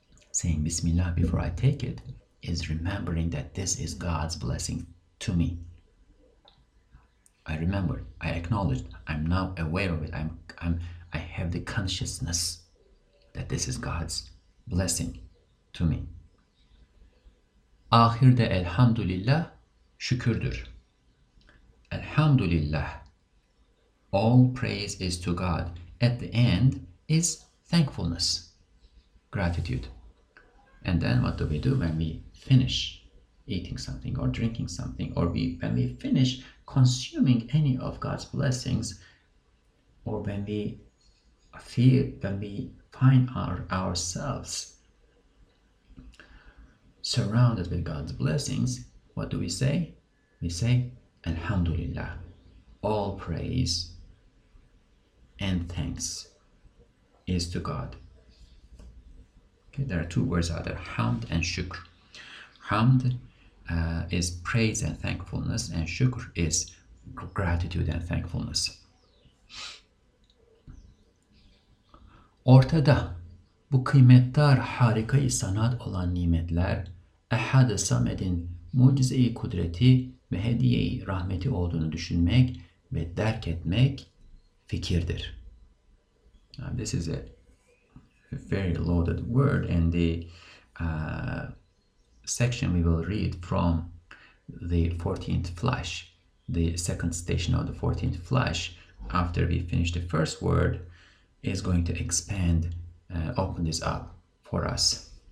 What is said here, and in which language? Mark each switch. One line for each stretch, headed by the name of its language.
English: Saying Bismillah before I take it is remembering that this is God's blessing to me. I remember, I acknowledged, I'm now aware of it. I have the consciousness that this is God's blessing to me.
Turkish: Ahirde elhamdülillah şükürdür.
English: Elhamdülillah, all praise is to God. At the end is thankfulness, gratitude. And then what do we do when we finish eating something or drinking something, or when we finish consuming any of God's blessings, or when we feel, when we find ourselves surrounded with God's blessings, what do we say? We say, Alhamdulillah, all praise and thanks is to God. Okay, there are two words out there, hamd and shukr. Hamd is praise and thankfulness, and shukr is gratitude and thankfulness.
Turkish: Ortada bu kıymetdar harika-i sanat olan nimetler Ehad-ı Samed'in mucize-i kudreti ve hediye-i rahmeti olduğunu düşünmek ve derk etmek fikirdir.
English: Now, this is a very loaded word, and the section we will read from the 14th flash, the second station of the 14th flash, after we finish the first word, is going to expand, open this up for us.